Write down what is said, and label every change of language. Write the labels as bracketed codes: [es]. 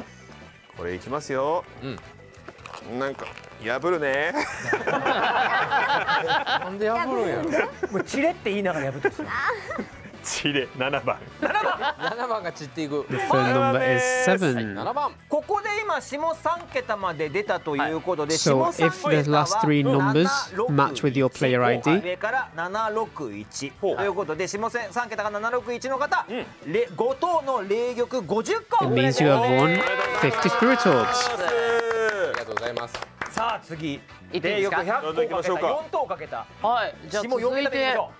[ja] ー、これいきますよ、うん、なんか破るね。なんで破るんやろ。もうチレって言いながら破ってしまう。チレ7番 7番が散っていく。 [en] The phone number is 7. [ja] 7番。ここで今下3桁まで出たということで、 [en] So if the last three numbers match with your player ID, [ja] 上から761ということで、下3桁が761の方、5等の霊玉50個。 [en] It means you have won 50 spirit orbs. [ja] ありがとうございます。さあ次、霊玉 100個かけた、4等かけた。はい、じゃあ続いて。